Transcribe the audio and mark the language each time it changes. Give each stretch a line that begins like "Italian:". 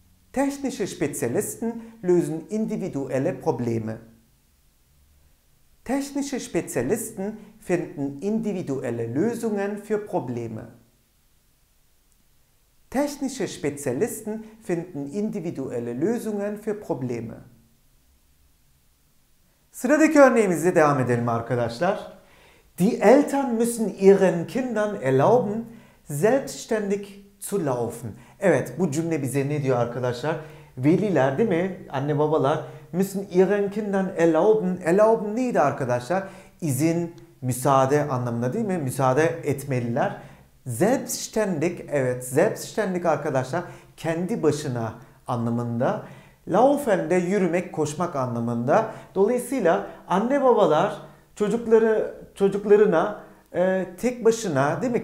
German: Technische Spezialisten lösen individuelle Probleme. Technische Spezialisten finden individuelle Lösungen für Probleme. Technische Spezialisten finden individuelle Lösungen für Probleme.
Turkish: Sıradaki örneğimize devam edelim arkadaşlar.
German: Die Eltern müssen ihren Kindern erlauben, selbstständig zu laufen.
Turkish: Evet, bu cümle bize ne diyor arkadaşlar? Veliler değil mi? Anne babalar
German: müssen ihren Kindern erlauben.
Turkish: Erlauben neydi arkadaşlar? İzin, müsaade anlamında değil mi? Müsaade etmeliler. Selbstständig, evet, selbstständig arkadaşlar kendi başına anlamında. Laufen de yürümek, koşmak anlamında. Dolayısıyla anne babalar çocuklarına tek başına değil mi?